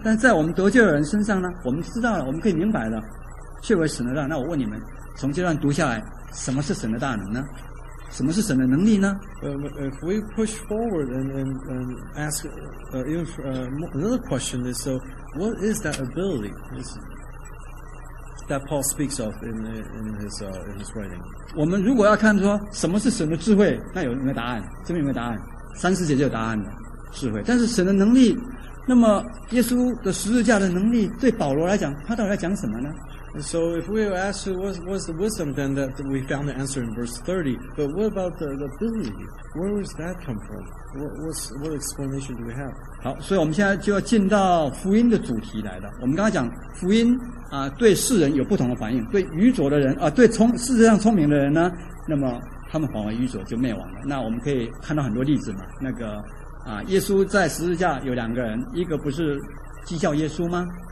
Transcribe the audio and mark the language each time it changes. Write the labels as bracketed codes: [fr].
[zh] 但是在我们得救的人身上呢，我们知道了，我们可以明白了，却为神的道。那我问你们，从这段读下来，什么是神的大能呢？什么是神的能力呢？ [en] If we push forward and ask another question is, so what is that ability that Paul speaks of in his writing? [zh] 我们如果要看说什么是神的智慧，那有没有答案？这边有没有答案？三四节就有答案了，智慧。但是神的能力，那么耶稣的十字架的能力对保罗来讲，他到底在讲什么呢？ [en] And so if we were asked what's the wisdom, then that we found the answer in verse 30. But what about the ability? Where does that come from? What explanation do we have? [zh] 好，所以我们现在就要进到福音的主题来了。我们刚才讲福音啊，对世人有不同的反应，对愚拙的人啊，对世界上聪明的人呢，那么他们反为愚拙就灭亡了。那我们可以看到很多例子嘛。那个啊，耶稣在十字架有两个人，一个不是讥笑耶稣吗？